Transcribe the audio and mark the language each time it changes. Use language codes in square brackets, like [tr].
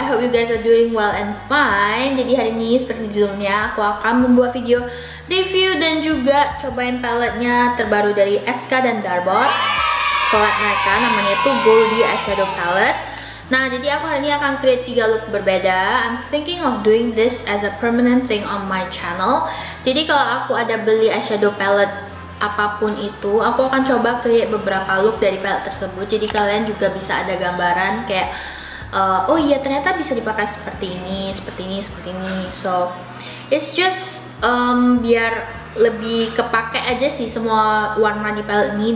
[en] I hope you guys are doing well and fine. [id] Jadi hari ini seperti judulnya, aku akan membuat video review dan juga cobain palette-nya terbaru dari SK dan Darbox. Palette mereka namanya itu Goldie Eyeshadow Palette. Nah, jadi aku hari ini akan create 3 look berbeda. [en] I'm thinking of doing this as a permanent thing on my channel. [id] Jadi kalau aku ada beli eyeshadow palette apapun itu, aku akan coba create beberapa look dari palette tersebut. Jadi kalian juga bisa ada gambaran kayak oh iya ternyata bisa dipakai seperti ini, seperti ini, seperti ini. [en] So, it's just [id] biar lebih kepake aja sih semua warna di palette ini.